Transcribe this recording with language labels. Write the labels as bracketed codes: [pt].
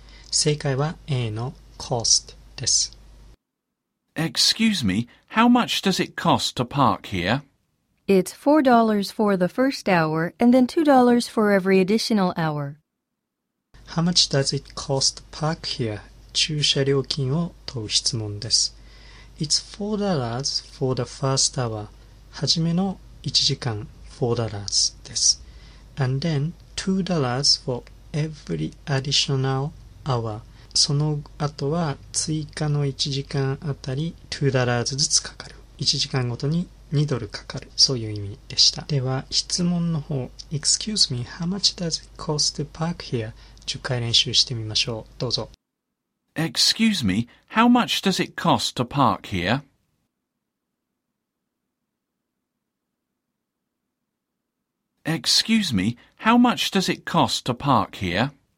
[ja] 正解は A の cost です。 [en] Excuse me, how much does it cost to park here? It's $4 for the first hour and then $2 for every additional hour. How much does it cost to park here? [ja] 駐車料金を問う質問です。 [en] It's $4 for the first hour. [ja] はじめの1時間 $4 です。 [en] And then $2 for every additional hour. [ja] その後は追加の1時間あたり $2 ずつかかる。 1時間ごとに2ドルかかる、そういう意味でした。では質問の方、 [en] Excuse me, how much does it cost to park here? [ja] 10回練習してみましょう。どうぞ。 [en] Excuse me, how much does it cost to park here? Excuse me, how much does it cost to park here?